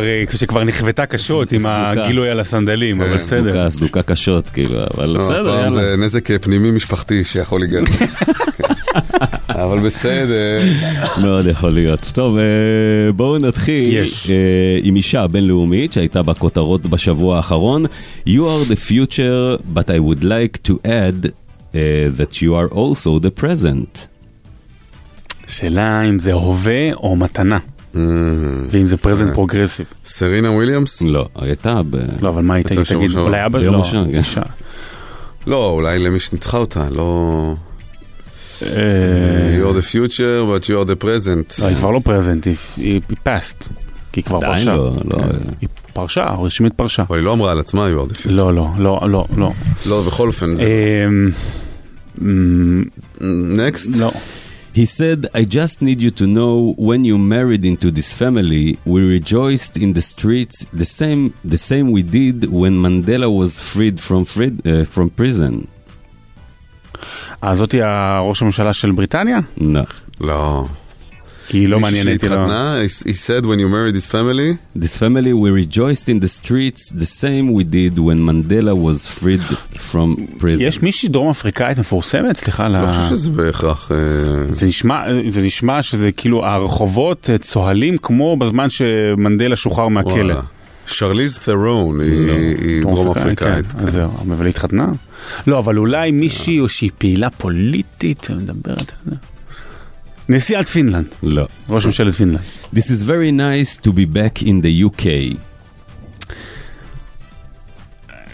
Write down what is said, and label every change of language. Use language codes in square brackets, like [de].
[he] שכבר נכוותה קשות עם הגילוי על הסנדלים, אבל בסדר. סדוקה, סדוקה קשות, כאילו, אבל בסדר. פעם זה נזק פנימי משפחתי שיכול להיגן. אבל בסדר. מאוד יכול להיות. טוב, בואו נתחיל. יש. עם אישה בינלאומית שהייתה בכותרות בשבוע האחרון. [en] You are the future, but I would like to add that you are also the present. [he] שאלה אם זה הווה או מתנה. ואם זה [en] פרזנט פרוגרסיב. [he] סרינה וויליאמס? לא, הייתה ב... לא, אבל מה הייתה? תגיד, אולי אבא? לא, אישה. לא, אולי למי שניצחה אותה, לא... [en] You're the future, but you're the present. [he] לא, היא כבר לא present, היא past. כי היא כבר פרשה. היא פרשה, רשמית פרשה. אבל היא לא אמרה על עצמה, [en] you're the future. [he] לא, לא, לא, לא, לא. לא, בכל אופן זה... [en] Next? [he] לא. [en] He said, I just need you to know when you married into this family, we rejoiced in the streets the same we did when Mandela was freed from prison. [he] אז אותי הראש הממשלה של בריטניה? לא. לא. כי לא מעניינתי לו. [en] He said, when you married this family, we rejoiced in the streets the same we did when Mandela was freed from prison. [he] יש מישהי דרום אפריקאית מפורסמת? סליחה. לא חושב שזה בהכרח... זה נשמע שזה כאילו הרחובות צוהלים כמו בזמן שמנדלה שוחרר מהכלא. שרליז תרון היא דרום אפריקאית. זהו, אבל התחתנה? לא, אבל אולי מישהי או שהיא פעילה פוליטית, אני מדבר על זה. נשיאת פינלנד. לא. ראש ממשלת פינלנד. [en] This is very nice to be back in the UK.